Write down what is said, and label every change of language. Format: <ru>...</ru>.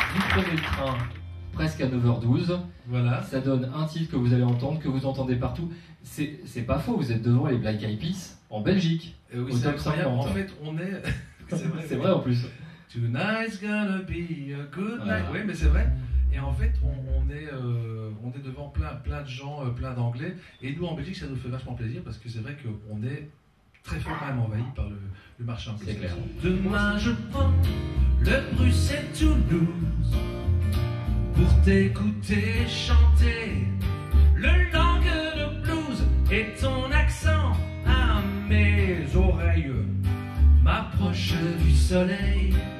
<fr>Prenez le train presque à 9h12. Voilà. Ça donne un titre que vous allez entendre, que vous entendez partout. C'est pas faux, vous êtes devant les Black Eyed Peas en Belgique. Oui, c'est incroyable. 50. En fait, on est. C'est vrai en plus.</fr> <en>Tonight's gonna be a good night.</en> <fr>Oui, mais c'est vrai. Et en fait, on est devant plein de gens, plein d'anglais. Et nous, en Belgique, ça nous fait vachement plaisir parce que c'est vrai qu'on est très fort quand même envahi par le marché anglais. C'est clair. Demain, je prends de Bruxelles, Toulouse, pour t'écouter chanter le langue de blues et ton accent à mes oreilles m'approche du soleil.</fr>